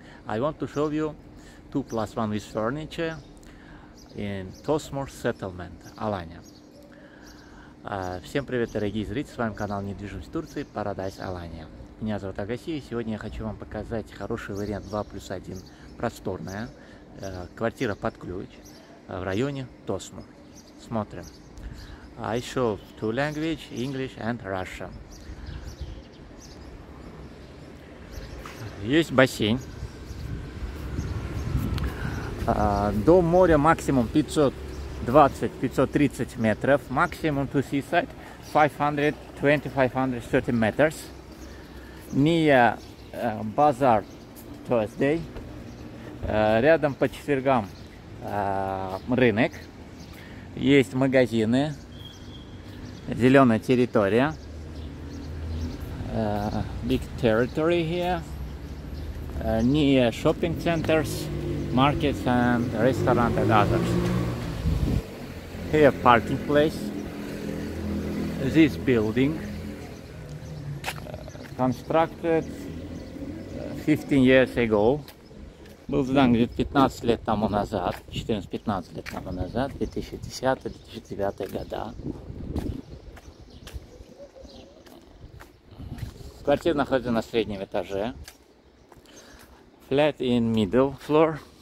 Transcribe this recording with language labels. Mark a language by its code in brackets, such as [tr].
[en] I want to show you 2 plus 1 with furniture in Tosmore Settlement, Alanya. [ru] Всем привет, дорогие зрители! С вами канал Недвижимость Турции, Paradise Alanya. Меня зовут Агасия, и сегодня я хочу вам показать хороший вариант 2 плюс 1, просторная, квартира под ключ в районе Тосмор. Смотрим. [en] I show 2 languages, English and Russian. [ru] Есть бассейн. До моря максимум 520-530 метров. Максимум [en] to seaside [ru] 520-530 метров. [en] Near базар Thursday. [ru] Рядом по четвергам рынок. Есть магазины. Зеленая территория. [en] Big territory here. Near shopping centers, markets and restaurants and others. Here parking place. This building constructed 15 years ago. [ru] Был сдан где-то 15 лет тому назад, 14-15 лет тому назад, 2010-2009 года. Квартира находится на среднем этаже. [en] Flat in middle floor.